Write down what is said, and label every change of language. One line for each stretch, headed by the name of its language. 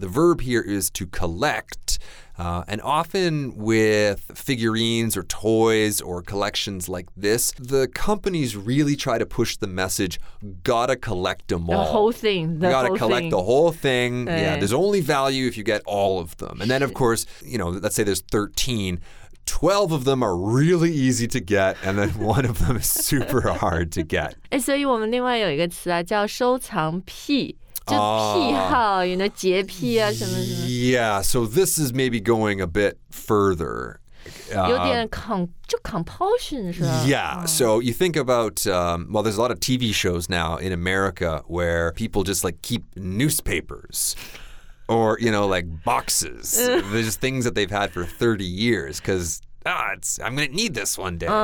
English: The verb here is to collect, and often with figurines or toys or collections like this, the companies really try to push the message, gotta collect them all. The whole thing. The gotta whole collect The whole thing. Yeah, there's only value if you get all of them. And then, of course, you know, let's say there's 13, 12 of them are really easy to get, and then one of them is super hard to get.
Chinese: 所以我们另外有一个词啊，叫收藏癖。就癖好，有那洁癖啊，什么什么。
English: Yeah, so this is maybe going a bit further.
Chinese: 有点compulsion 是吧
English: ？Yeah, so you think about there's a lot of TV shows now in America where people just like keep newspapers. Or, you know, like boxes. They're just things that they've had for 30 years because, I'm going to need this one day.